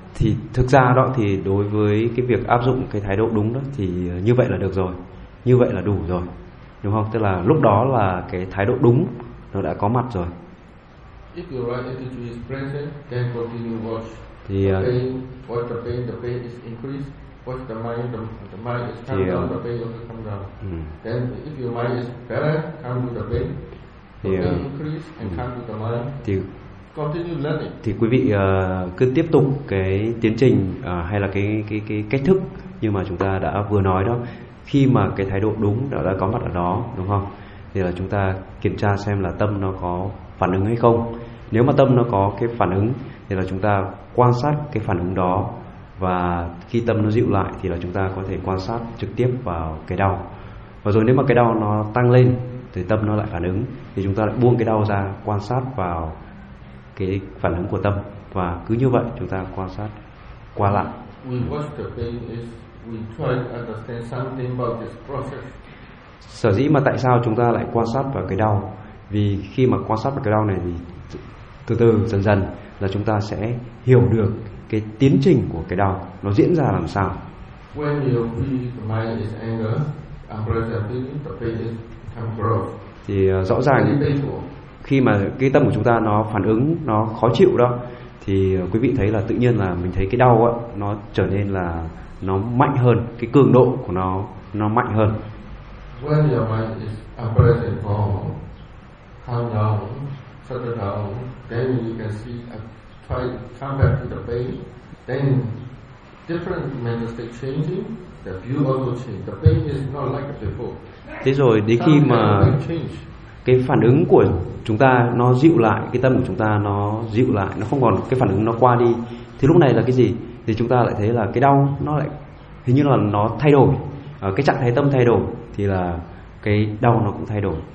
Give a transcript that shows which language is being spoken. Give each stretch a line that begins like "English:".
Vietnamese: Thì thực ra đó, thì đối với cái việc áp dụng cái thái độ đúng đó thì như vậy là được rồi, như vậy là đủ rồi, đúng không? Tức là lúc đó là cái thái độ đúng nó đã có mặt rồi.
English: If your right attitude is present, then continue watch. The pain, watch the pain. The pain is increased. Watch the mind. The mind is calm down. The pain also calm down. Then, if your mind is better, calm to the pain. The pain increase and calm to the mind.
Vietnamese: Thì quý vị cứ tiếp tục cái tiến trình hay là cái cách thức như mà chúng ta đã vừa nói đó, khi mà cái thái độ đúng đã có mặt ở đó, đúng không? Thì là chúng ta kiểm tra xem là tâm nó có phản ứng hay không. Nếu mà tâm nó có cái phản ứng thì là chúng ta quan sát cái phản ứng đó, và khi tâm nó dịu lại thì là chúng ta có thể quan sát trực tiếp vào cái đau. Và rồi nếu mà cái đau nó tăng lên thì tâm nó lại phản ứng, thì chúng ta lại buông cái đau ra, quan sát vào cái phản ứng của tâm, và cứ như vậy chúng ta quan sát qua lại.
English: We watch the pain is we try to understand something about this process.
Vietnamese: Sở dĩ mà tại sao chúng ta lại quan sát vào cái đau, vì khi mà quan sát vào cái đau này thì từ từ dần dần là chúng ta sẽ hiểu được cái tiến trình của cái đau nó diễn ra làm sao.
English: When you feel the mind is anger, unpleasantly, the pain is come across.
Vietnamese: Thì rõ ràng khi mà cái tâm của chúng ta nó phản ứng nó khó chịu đó, thì quý vị thấy là tự nhiên là mình thấy cái đau á nó trở nên là nó mạnh hơn, cái cường độ của nó mạnh hơn.
English: When your mind is unpleasant for calm down, settle down, then you can see a try come back to the pain, then different manifestation changing, the view also change, the pain is not like before.
Vietnamese: Thế rồi đến khi mà cái phản ứng của chúng ta nó dịu lại, cái tâm của chúng ta nó dịu lại, nó không còn cái phản ứng nó qua đi, thì lúc này là cái gì? Thì chúng ta lại thấy là cái đau nó lại hình như là nó thay đổi, cái trạng thái tâm thay đổi thì là cái đau nó cũng thay đổi.